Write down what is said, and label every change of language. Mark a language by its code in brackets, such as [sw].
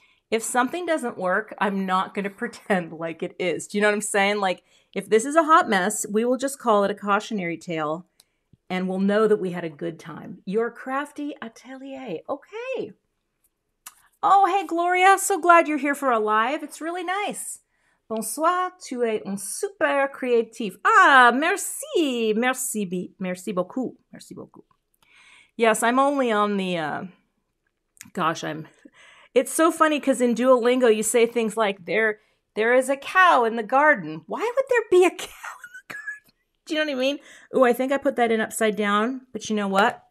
[en] If something doesn't work, I'm not going to pretend like it is. Do you know what I'm saying? Like, if this is a hot mess, we will just call it a cautionary tale and we'll know that we had a good time. Your crafty atelier. Okay. Oh, hey, Gloria. So glad you're here for a live. It's really nice. [fr] Bonsoir, tu es un super créatif. Ah, merci, merci, merci beaucoup, merci beaucoup. [en] Yes, I'm only on the, it's so funny because in Duolingo you say things like, there is a cow in the garden. Why would there be a cow in the garden? Do you know what I mean? Ooh, I think I put that in upside down, but you know what?